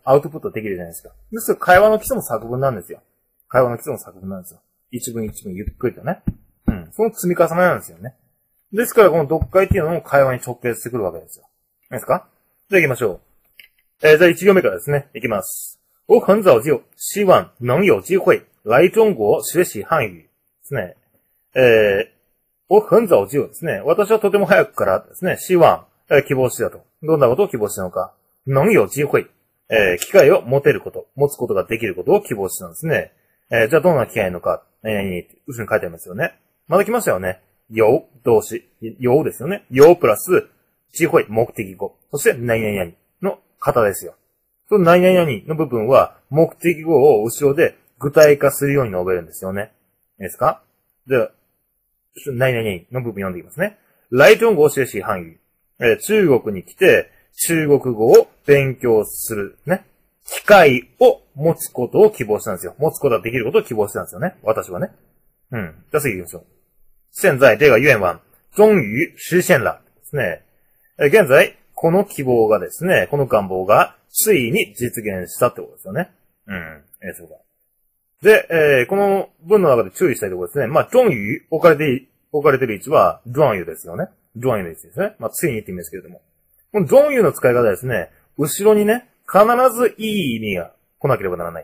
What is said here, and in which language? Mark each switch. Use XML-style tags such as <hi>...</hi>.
<ja>アウトプットできるじゃないですか。ですから会話の基礎も作文なんですよ。会話の基礎も作文なんですよ。一文一文ゆっくりとね。うん。その積み重ねなんですよね。ですからこの読解っていうのも会話に直結してくるわけですよ。いいですか？じゃあ行きましょう。じゃあ一行目からですね。行きます。</ja> <zh>我很早就希望能有机会来中国学习汉语。</zh> <ja>ですね。</ja> <zh>我很早就</zh> <ja>ですね。私はとても早くからですね。希望、希望してたと。どんなことを希望したのか。</ja> <zh>能有机会、</zh> <ja>機会を持てること、持つことができることを希望してたんですね。じゃあどんな機会のか、後ろに書いてありますよね。また来ましたよね。有、動詞、有ですよね。有プラス、机会、目的語。そして、何々の型ですよ。その何々の部分は、目的語を後ろで具体化するように述べるんですよね。いいですか？じゃあ、何々の部分読んでいきますね。</ja> <zh>来中国学習汉语、</zh> <ja>中国に来て、中国語を勉強するね。機会を持つことを希望したんですよ。持つことができることを希望したんですよね。私はね。うん。じゃあ次行きましょう。</ja> <zh>現在、这个愿望、终于实现了。</zh> <ja>ですね。現在、この希望がですね、この願望が、ついに実現したってことですよね。うん。そうか。で、この文の中で注意したいところですね。まあ、终于置かれている位置は、終于ですよね。終于の位置ですね。まあ、ついにって意味ですけれども。この終于の使い方ですね、後ろにね、必ずいい意味が来なければならない。</ja>